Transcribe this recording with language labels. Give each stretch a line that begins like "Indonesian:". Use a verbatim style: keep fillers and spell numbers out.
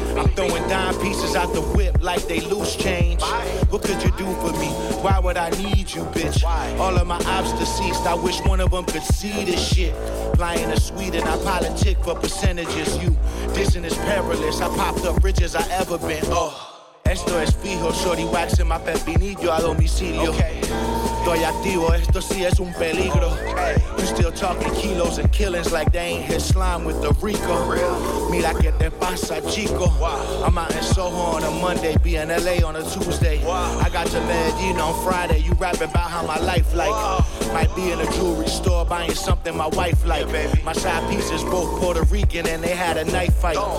English: I'm throwing dime pieces out the whip like they loose change. What could you do for me? Why would I need you, bitch? All of my ops deceased, I wish one of them could see this shit. Flying to Sweden, I politic for percentages. You dissing is perilous. I popped up rich as I ever been.
Spanish: Oh. Esto es fijo,
English: shorty waxing my
Spanish: pepinillo a domicilio. Estoy activo, esto sí es un peligro.
English: You still talking kilos and killings like they ain't hit slime with the Rico.
Spanish: Mira que te pasa, chico.
English: I'm out in Soho on a Monday, be in L A on a Tuesday. I got to Medellin on Friday, you rapping about how my life like. Might be in a jewelry store buying something my wife like. My side pieces both Puerto Rican and they had a knife fight.